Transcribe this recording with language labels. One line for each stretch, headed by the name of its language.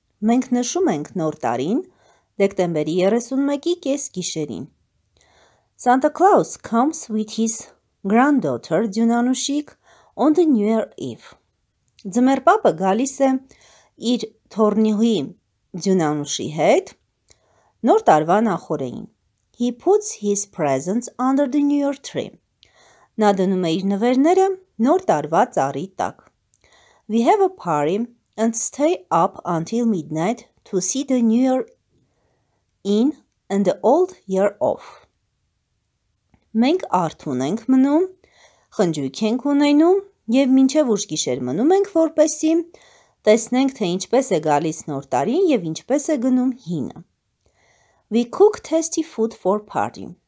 Armenian: Մենք նշում ենք նոր տարին դեկտեմբերի 31-ի կես գիշերին։
English: Santa Claus comes with his Granddaughter Dyunanushik on the New Year Eve.
Armenian: Ձմեր պապը գալիս է իր թոռնուհի Dyunanushi հետ նոր տարվա նախորեին.
English: He puts his presents under the New Year tree.
Armenian: Նա դնում է իր նվերները նոր տարվա ծառի տակ.
English: We have a party and stay up until midnight to see the New Year in and the old year off.
Armenian: Մենք արթուն ենք մնում, խնջույք ենք ունենում և մինչև ուշ գիշեր մնում ենք որպեսի, տեսնենք, թե ինչպես է գալիս նոր տարին և ինչպես է գնում հինը։
English: We cook tasty food for party.